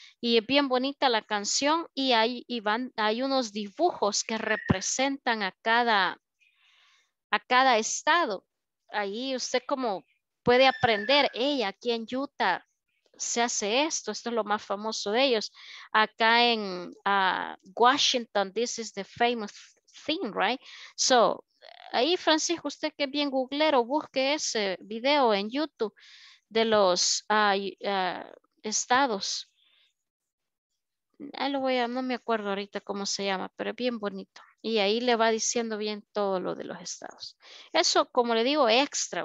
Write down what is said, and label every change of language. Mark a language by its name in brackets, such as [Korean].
[Spanish] Y es bien bonita la canción y hay unos dibujos que representan a cada estado. Ahí usted como puede aprender, hey, aquí en Utah se hace esto, esto es lo más famoso de ellos. Acá en Washington, [English] this is the famous thing, right? [Spanish] So, ahí Francisco, usted que es bien googlero, busque ese video en YouTube de los estados. Ahí lo voy a, no me acuerdo ahorita cómo se llama, pero es bien bonito. Y ahí le va diciendo bien todo lo de los estados. Eso, como le digo, extra.